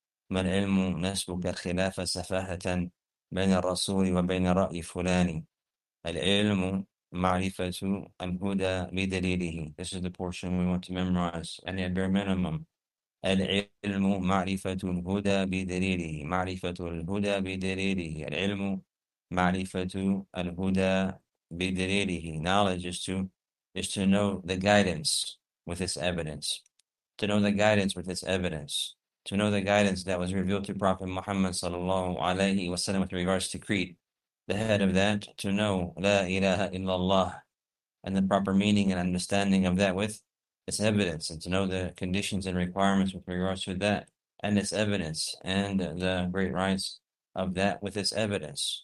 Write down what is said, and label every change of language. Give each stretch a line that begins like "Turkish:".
Arabic: ما العلم نسبك خلاف سفاهة بين الرسول وبين رأي فلان العلم معرفة الهدى بدليله.
English: This is the portion we want to memorize, and at bare minimum,
Arabic: العلم معرفة الهدى بدليله. معرفة الهدى بدليله. العلم معرفة الهدى بدليله.
English: Knowledge is to know the guidance with its evidence. To know the guidance with its evidence. To know the guidance that was revealed to Prophet Muhammad sallallahu alayhi wa sallam with regards to creed. The head of that, to know la ilaha illallah, and the proper meaning and understanding of that with its evidence, and to know the conditions and requirements with regards to that and its evidence, and the great rights of that with its evidence.